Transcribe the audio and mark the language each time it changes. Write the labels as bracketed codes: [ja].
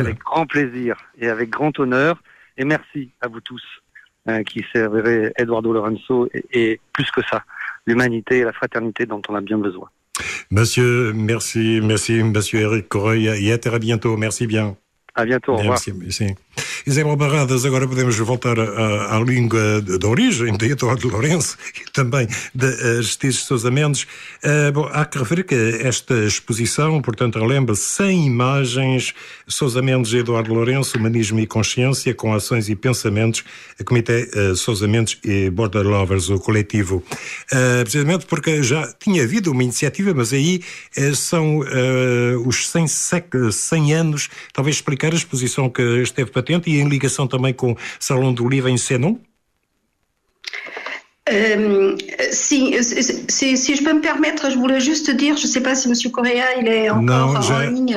[fr] Avec grand plaisir et avec grand honneur. Et merci à vous tous qui servirez Eduardo Lorenzo et plus que ça, l'humanité et la fraternité dont on a bien besoin. Monsieur, merci, merci, monsieur Eric Correia, et à très bientôt. Merci bien. À bientôt, au revoir. Merci, merci. [pt] Isabel Barradas, agora podemos voltar à língua de origem, de Eduardo Lourenço, e também de Justiça de Sousa Mendes. Bom, há que referir que esta exposição, portanto, lembra 100 imagens, Sousa Mendes e Eduardo Lourenço, Humanismo e Consciência, com Ações e Pensamentos, Comitê Sousa Mendes e Border Lovers, o coletivo. Precisamente porque já tinha havido uma iniciativa, mas aí são os 100 anos, talvez para a exposição que esteve patente e em ligação também com o Salão do Livro em Senão? [fr] Sim, si je peux me permettre, je voulais juste dire, je ne sais pas si M. Correa il est encore en ligne.